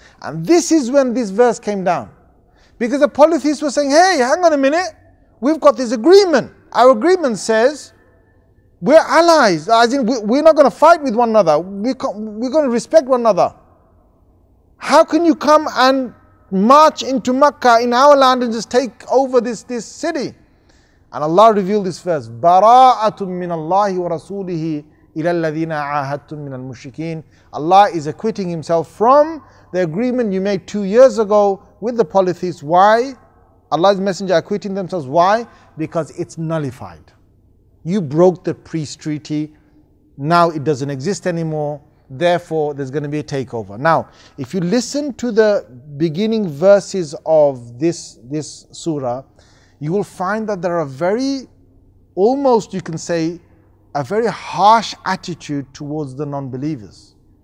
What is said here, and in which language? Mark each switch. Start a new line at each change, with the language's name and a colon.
English: And this is when this verse came down. Because the polytheists were saying, hey, hang on a minute, we've got this agreement. Our agreement says, we're allies, as in we're not going to fight with one another. We're going to respect one another. How can you come and march into Makkah in our land and just take over this city? And Allah revealed this verse,
Arabic: بَرَاءَةٌ مِّنَ اللَّهِ وَرَسُولِهِ إِلَى الَّذِينَ عَاهَدْتُمْ مِّنَ الْمُشْرِكِينَ.
English: Allah is acquitting himself from the agreement you made 2 years ago with the polytheists. Why? Allah's messenger acquitting themselves. Why? Because it's nullified. You broke the peace treaty. Now it doesn't exist anymore. Therefore, there's going to be a takeover. Now, if you listen to the beginning verses of this surah, you will find that there are very, almost you can say, a very harsh attitude towards the non-believers.